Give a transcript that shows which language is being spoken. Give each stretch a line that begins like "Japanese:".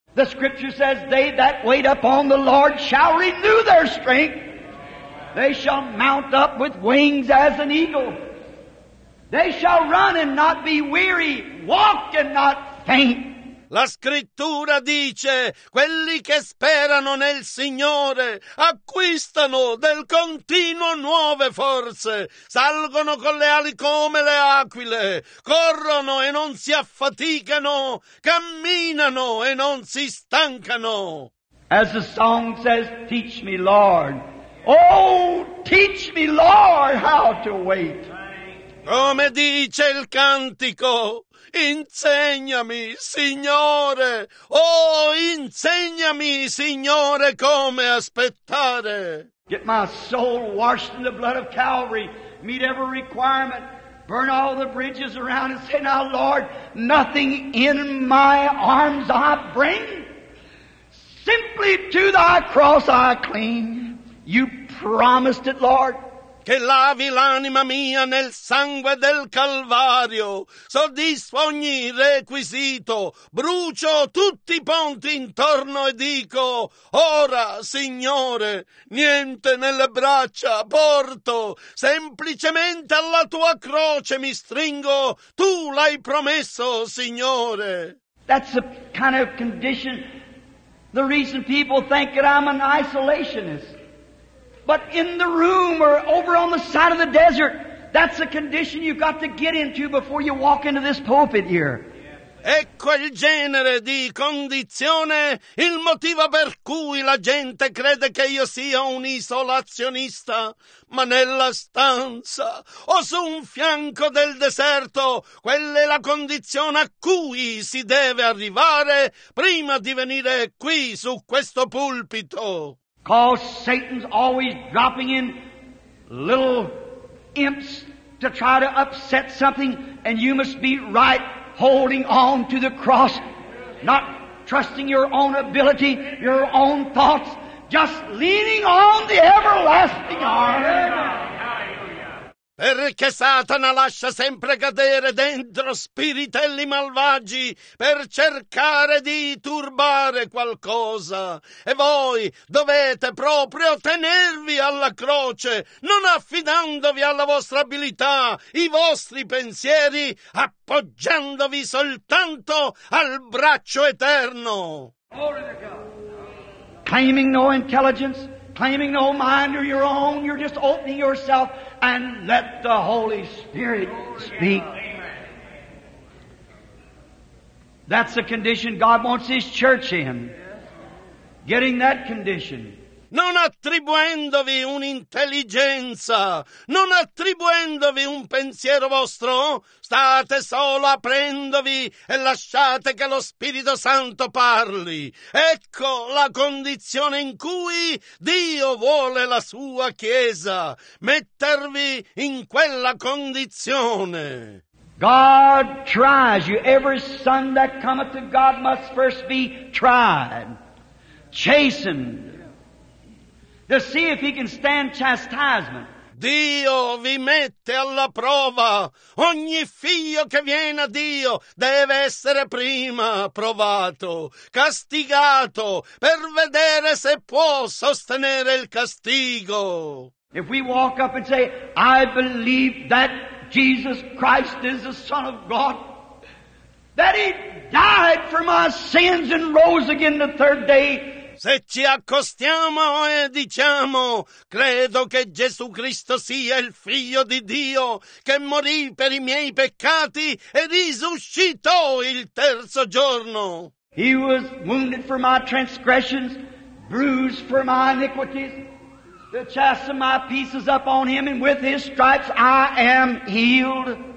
English: The scripture says, they that wait upon the Lord shall renew their strength. They shall mount up with wings as an eagle. They shall run and not be weary, walk and not faint.
Italian: La scrittura dice, quelli che sperano nel Signore acquistano del continuo nuove forze, salgono con le ali come le aquile, corrono e non si affaticano, camminano e non si stancano.
English: As the song says, teach me, Lord. Oh, teach me, Lord, how to wait.
Italian: Come dice il cantico, insegnami, Signore, oh, insegnami, Signore, come aspettare.
English: Get my soul washed in the blood of Calvary, meet every requirement, burn all the bridges around and say, now, Lord, nothing in my arms I bring, simply to thy cross I cling. You promised it, Lord,
Italian: che lavi l'anima mia nel sangue del Calvario, soddisfo ogni requisito, brucio tutti i ponti intorno e dico: ora, Signore, niente nelle braccia porto, semplicemente alla tua croce mi stringo, tu l'hai promesso, Signore.
English: That's the kind of condition, the reason people think that I'm an isolationist. But in the room or over on the side of the desert, that's the condition you've got to get into before you walk into this pulpit here.
Italian: È quel genere di condizione il motivo per cui la gente crede che io sia un isolazionista, ma nella stanza o su un fianco del deserto, quella è la condizione a cui si deve arrivare prima di venire qui su questo pulpito.
English: Cause Satan's always dropping in little imps to try to upset something, and you must be right holding on to the cross, not trusting your own ability, your own thoughts, just leaning on the everlasting arm.
Italian: Perché Satana lascia sempre cadere dentro spiritelli malvagi per cercare di turbare qualcosa. E voi dovete proprio tenervi alla croce, non affidandovi alla vostra abilità, i vostri pensieri, appoggiandovi soltanto al braccio eterno.
English: Claiming no intelligence, claiming no mind of your own, you're just opening yourself and let the Holy Spirit speak. That's the condition God wants His church in. Getting that condition.
Italian: Non attribuendovi un'intelligenza, non attribuendovi un pensiero vostro, state solo aprendovi e lasciate che lo Spirito Santo parli. Ecco la condizione in cui Dio vuole la sua Chiesa, mettervi in quella condizione.
English: God tries you. Every son that cometh to God must first be tried, chastened, to see if he can stand chastisement.
Italian: Dio vi mette alla prova. Ogni figlio che viene a Dio deve essere prima provato, castigato, per vedere se può sostenere il castigo.
English: If we walk up and say, I believe that Jesus Christ is the Son of God, that he died for my sins and rose again the third day,
Italian: se ci accostiamo e diciamo, credo che Gesù Cristo sia il Figlio di Dio, che morì per i miei peccati e risuscitò il terzo giorno.
English: He was wounded for my transgressions, bruised for my iniquities. The chastisement of my peace is upon him, and with his stripes I am healed.